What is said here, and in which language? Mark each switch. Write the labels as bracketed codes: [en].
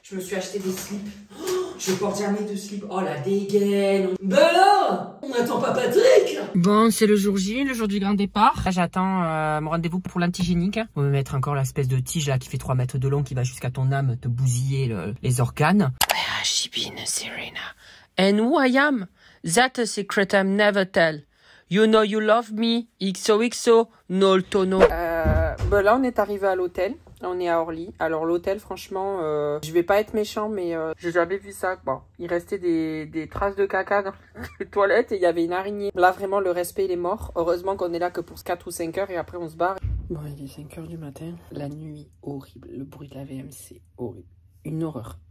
[fr] Je me suis acheté des slips. Oh, je porte jamais de slips. Oh, la dégaine. Bello! On attend pas Patrick! Bon, c'est le jour du grand départ. Là, j'attends mon rendez-vous pour l'antigénique. On va mettre encore l'espèce de tige là qui fait 3 mètres de long qui va jusqu'à ton âme te bousiller les organes. [en] Where has she been, Serena? And who I am? That's a secret I'm never tell. You know you love me, XOXO, Nolto no. [fr] Ben là, on est arrivé à l'hôtel. On est à Orly. Alors l'hôtel, franchement, je vais pas être méchant, mais j'ai jamais vu ça. Bon, il restait des traces de caca dans les toilettes et il y avait une araignée. Là, vraiment, le respect, il est mort. Heureusement qu'on est là que pour 4 ou 5 heures et après, on se barre. Bon, il est 5 heures du matin. La nuit, horrible. Le bruit de la VMC, horrible. Une horreur.